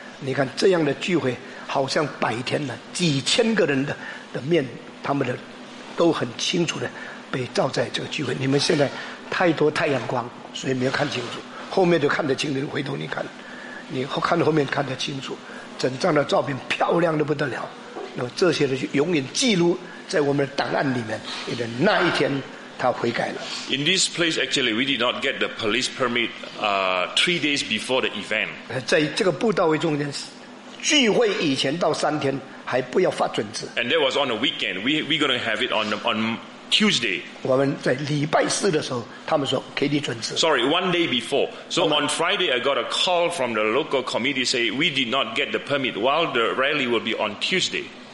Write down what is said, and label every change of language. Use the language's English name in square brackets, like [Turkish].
[Chinese] 你看这样的聚会好像百天了，几千个人 的面，他们的都很清楚的被照在这个聚会。你们现在太多太阳光，所以没有看清楚，后面就看得清楚。回头你看，你看后面看得清楚，整张的照片漂亮得不得了，那这些的就永远记录在我们的档案里面。因为那一天他悔改了。 [English] In this place, actually, we did not get the police permit, 3 days before the event. [Chinese] 在这个布道会中间，聚会以前到3天还不要发准字。 [English] And that was on a weekend. We going to have it on Tuesday. [Chinese] 我们在礼拜四的时候，他们说给你准字。 [English] Sorry, one day before. So on Friday, I got a call from the local committee say we did not get the permit while the rally will be on Tuesday.